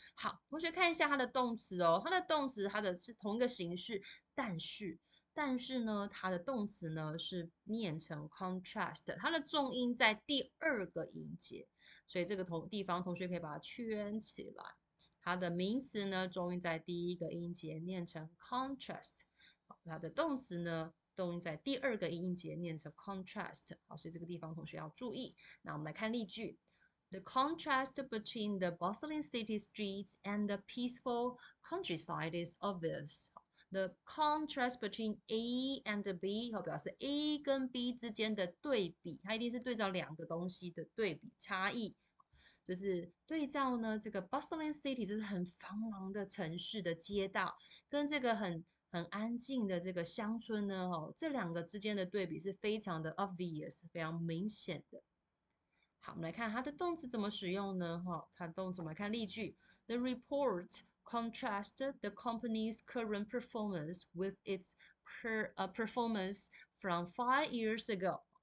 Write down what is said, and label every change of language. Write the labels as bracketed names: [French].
[Chinese] 好，同学看一下它的动词哦，它的动词它的是同一个形式，但是呢，它的动词呢是念成 contrast，它的重音在第二个音节，所以这个地方同学可以把它圈起来。它的名词呢重音在第一个音节，念成 contrast。好，它的动词呢重音在第二个音节，念成 contrast。好，所以这个地方同学要注意。那我们来看例句。 [English] The contrast between the bustling city streets and the peaceful countryside is obvious. The contrast between A and B [Chinese] 表示 A 跟 B 之间的对比，它一定是对照两个东西的对比差异，就是对照呢这个 bustling city 就是很繁忙的城市的街道，跟这个很安静的这个乡村呢，这两个之间的对比是非常的 obvious，非常明显的。好，我们来看它的动词怎么使用呢？它的动词我们来看例句： [English] The report contrasted the company's current performance with its performance from 5 years ago。